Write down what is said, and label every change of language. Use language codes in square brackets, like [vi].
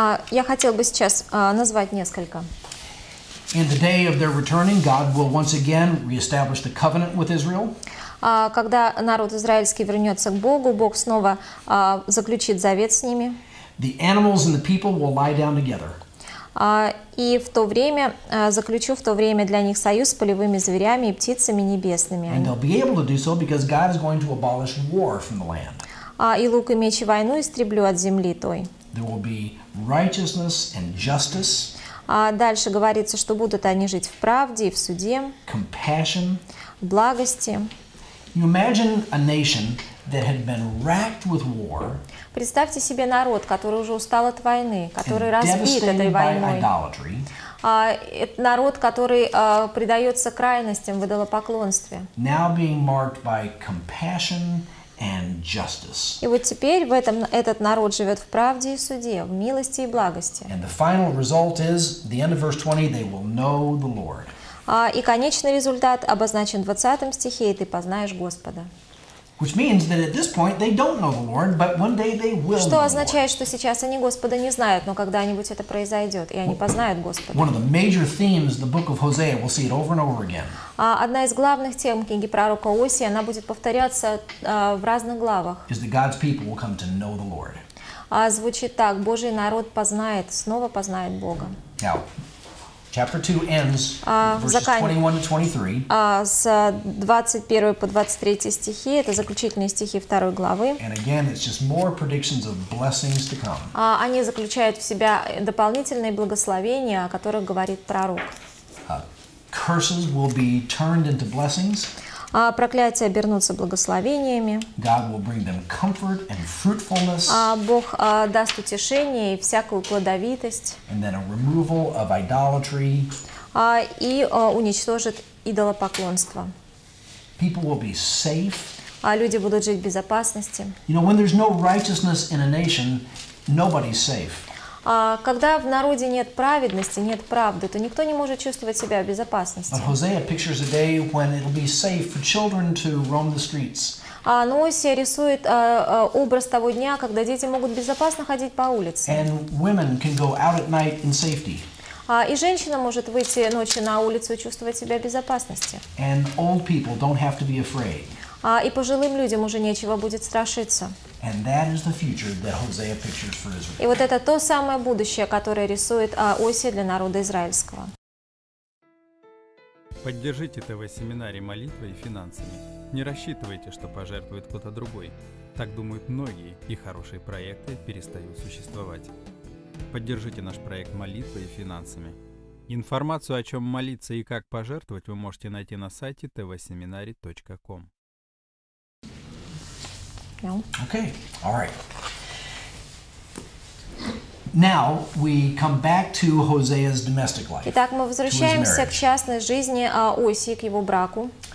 [ru] Я хотел бы сейчас назвать несколько. [en] In the day of their returning, God will once again reestablish the covenant with Israel. [ru] Когда народ израильский вернется к Богу, Бог снова заключит завет с ними. [en] The animals and the people will lie down together. [ru] И в то время заключу в то время для них союз с полевыми зверями и птицами небесными. [en] And they'll be able to do so because God is going to abolish war from the land. [ru] И лук и меч и войну истреблю от земли той. [en] There will be righteousness and justice. [ru] Дальше говорится, что будут они жить в правде и в суде. [en] Compassion. [ru] В благости. [en] You imagine a nation that had been racked with war. [ru] Представьте себе народ, который уже устал от войны, который разбит этой войной. [en] Idolatry. [ru] Это народ, который предается крайностям в идолопоклонстве. [en] Now being marked by compassion. And justice. [ru] И вот теперь в этом этот народ живет в правде и суде, в милости и благости. [en] And the final result is the end of verse 20. They will know the Lord. [ru] И конечный результат обозначен в 20 стихе. И ты познаешь Господа. [en] Which means that at this point they don't know the Lord, but one day they will. [ru] Что означает, что сейчас они Господа не знают, но когда-нибудь это произойдет, и они познают Господа. [en] One of the major themes of the book of Hosea, we'll see it over and over again. [ru] Одна из главных тем книги пророка Осии, она будет повторяться в разных главах. [en] Is that God's people will come to know the Lord. [ru] Звучит так: Божий народ познает, снова познает Бога. [en] Now, chapter 2 ends verses 21-23. [ru] С 21 по 23 стихи, это заключительные стихи второй главы. [en] And again, it's just more predictions of blessings to come. [ru] Они заключают в себя дополнительные благословения, о которых говорит пророк. [en] Curses will be turned into blessings. [ru] Проклятия обернутся благословениями. [en] God will bring them comfort and fruitfulness. [ru] Бог даст утешение и всякую плодовитость. [en] And then a removal of idolatry. [ru] Уничтожит идолопоклонство. [en] People will be safe. [ru] Люди будут жить в безопасности. [en] You know, when there's no righteousness in a nation, nobody's safe. [ru] Когда в народе нет праведности, нет правды, то никто не может чувствовать себя в безопасности. [en] But Hosea pictures a day when it'll be safe for children to roam the streets. [ru] Нося рисует образ того дня, когда дети могут безопасно ходить по улице. [en] And women can go out at night in safety. [ru] И женщина может выйти ночью на улицу и чувствовать себя в безопасности. [en] And old people don't have to be afraid. [ru] И пожилым людям уже нечего будет страшиться. [en] And that is the future that Hosea pictures for Israel. [ru] И вот это то самое будущее, которое рисует Оси для народа израильского. Поддержите ТВ-семинарий молитвой и финансами. Не рассчитывайте, что пожертвует кто-то другой. Так думают многие, и хорошие проекты перестают существовать. Поддержите наш проект молитвой и финансами. Информацию, о чем молиться и как пожертвовать, вы можете найти на сайте tvseminary.com. [en] Okay, all right. Now we come back to Hosea's domestic life. [ru] Итак, мы возвращаемся к частной жизни Оси, к его браку.